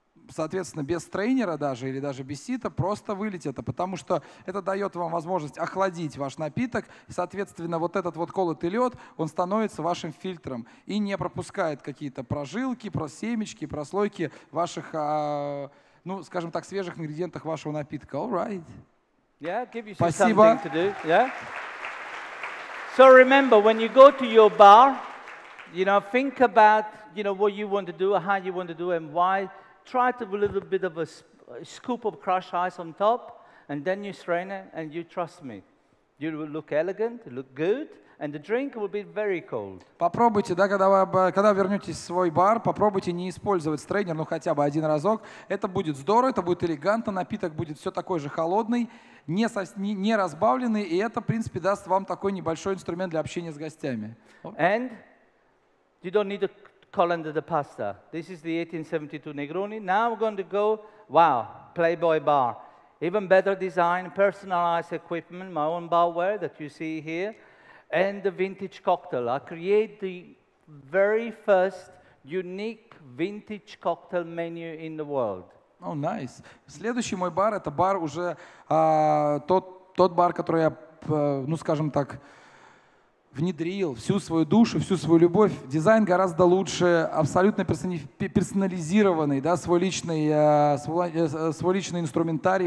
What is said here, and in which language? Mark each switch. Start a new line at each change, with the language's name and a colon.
Russian: соответственно, без тренера даже или даже без сита, просто вылить это, потому что это дает вам возможность охладить ваш напиток, и, соответственно, вот этот вот колотый лед, он становится вашим фильтром и не пропускает какие-то прожилки, просемечки, прослойки ваших, ну, скажем так, свежих ингредиентов вашего напитка.
English: All right. Yeah, give you some
Russian: Спасибо.
English: Something to do. Yeah? So remember, when you go to your bar, you know, think about, you know, what you want to do, how you want to do it, and why. Try to put a little bit of a scoop of crushed ice on top, and then you strain it, and you trust me. You will look elegant, look good, and the drink will be very cold.
Russian: Попробуйте, да, когда вернетесь в свой бар, попробуйте не использовать стрейнер, ну хотя бы один разок. Это будет здорово, это будет элегантно, напиток будет все такой же холодный, не разбавленный, и это, в принципе, даст вам такой небольшой инструмент для общения с гостями.
English: And you don't need a colander the pasta. This is the 1872 Negroni. Now we're going to go, wow, Playboy bar. Even better design, personalized equipment, my own barware that you see here, and the vintage cocktail. I create the very first unique vintage cocktail menu in the world. Oh, nice.
Russian: Следующий мой бар — это бар уже тот бар, который я, ну скажем так, внедрил всю свою душу, всю свою любовь. Дизайн гораздо лучше, абсолютно персонализированный, да, свой личный инструментарий.